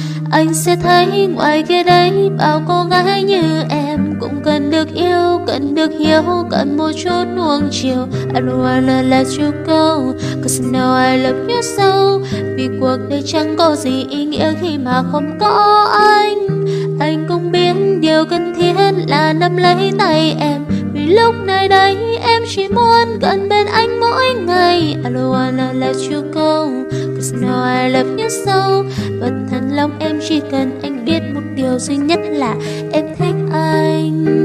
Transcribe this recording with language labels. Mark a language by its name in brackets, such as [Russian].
[Vietnamese] Anh sẽ thấy ngoài kia đấy bao cô gái như em, cũng cần được yêu, cần được hiểu, cần một chút nuông chiều. [English] I don't wanna let you go, cause I know I love you so. [Vietnamese] Vì cuộc đời chẳng có gì ý nghĩa khi mà không có anh. Anh cũng biết điều cần thiết là nắm lấy tay em, vì lúc này đây em chỉ muốn gần bên anh mỗi ngày. [English] I don't wanna let you go, cause now I love you so. [Vietnamese] Và thật lòng em chỉ cần anh biết một điều duy nhất là em thích anh.